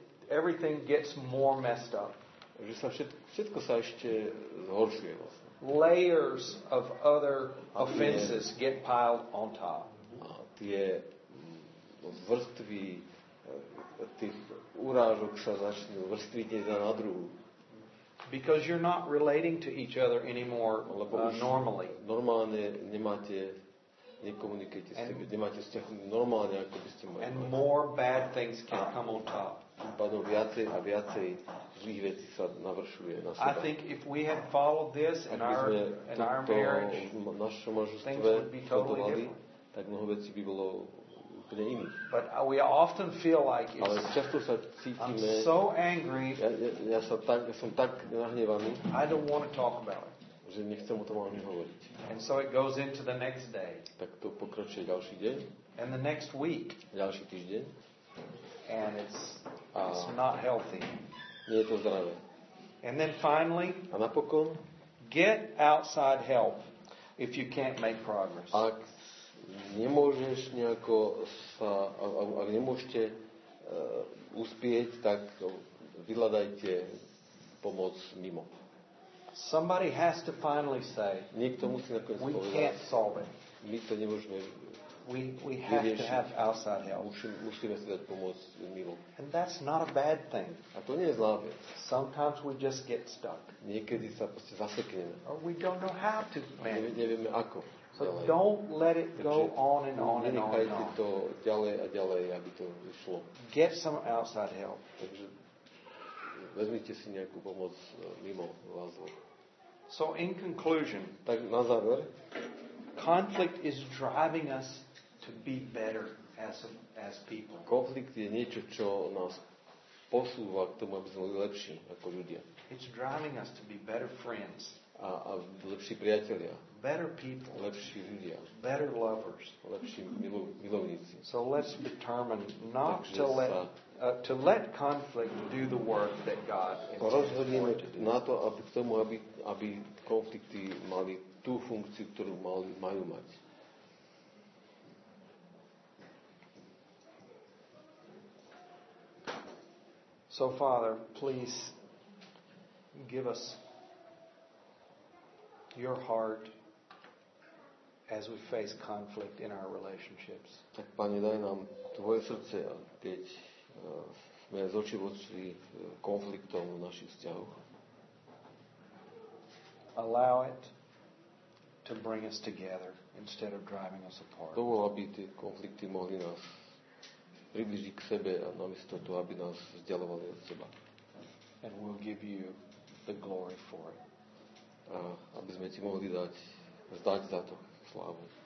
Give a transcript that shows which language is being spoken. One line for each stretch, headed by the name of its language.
English: everything gets more messed up.
Slovak: Že sa všetko sa ešte zhoršuje vlastne.
English: Layers of other offenses get piled on top.
Slovak: Tie vrstvy tých urážok sa začnú vrstviť jedna na druhú.
English: Because you're not relating to each other anymore normally.
Slovak: Normálne nemáte, nekomunikujete s tým, nemáte vzťah normálne, ako by ste mali.
English: And more bad things can come on top.
Slovak: Pádom viacej a viacej zlých vecí sa navršuje na seba.
English: I think if we had followed this in our
Slovak: marriage, tak mnoho vecí by bolo úplne iných.
English: But we often feel like
Slovak: ale často sa cítime,
English: I'm so angry,
Slovak: ja som tak nahnevaný,
English: I don't want to talk about it.
Slovak: Že nechcem o tom ani hovoriť.
English: And so it goes into the next day.
Slovak: Tak to pokračuje ďalší deň.
English: And the next week.
Slovak: Ďalší týždeň.
English: And it's not healthy.
Slovak: Nie je to zdravé.
English: And then finally,
Slovak: a napokon,
English: get outside help if you can't make progress.
Slovak: Ak nemôžeš nejako sa, ak nemôžete uspieť, tak vyhľadajte pomoc mimo.
English: Somebody has to finally say,
Slovak: niekto musí nakoniec
English: povedať, we can't solve it.
Slovak: My to nemôžeme.
English: We have to have outside help.
Slovak: Musíme si dať pomoc mimo.
English: And that's not a bad thing.
Slovak: A to nie je zlá vec.
English: Sometimes we just get stuck.
Slovak: Niekedy sa proste zasekneme.
English: Or we don't know how to manage.
Slovak: Nevieme ako.
English: So don't let it go on and on and on.
Slovak: Nenechajte to ďalej a ďalej, aby to išlo.
English: Get some outside help.
Slovak: Takže vezmite si nejakú pomoc mimo vás.
English: So in conclusion,
Slovak: tak na záver,
English: conflict is driving us to be better as people.
Slovak: Konflikt je niečo, čo nás posúva k tomu, aby sme boli lepší ako ľudia.
English: It's driving us to be better friends.
Slovak: A lepší priatelia.
English: Better people.
Slovak: Lepší ľudia.
English: Better lovers.
Slovak: Lepší milovníci.
English: So let's determine not to let conflict do the work that God intends for it to do.
Slovak: Na to, aby k tomu, aby konflikty mali tú funkciu, ktorú majú mať.
English: So Father, please give us your heart as we face conflict in our relationships.
Slovak: Tak Pane, daj nám tvoje srdce, keď sme z očí v oči konfliktom v našich vzťahoch.
English: Allow it to bring us together instead of driving us apart.
Slovak: Dovol, aby tie konflikty mohli nás približiť k sebe a namiesto toho, aby nás vzdialovali od seba.
English: And we'll give you the glory for it.
Slovak: A aby sme ti mohli dať zdať za to slávu.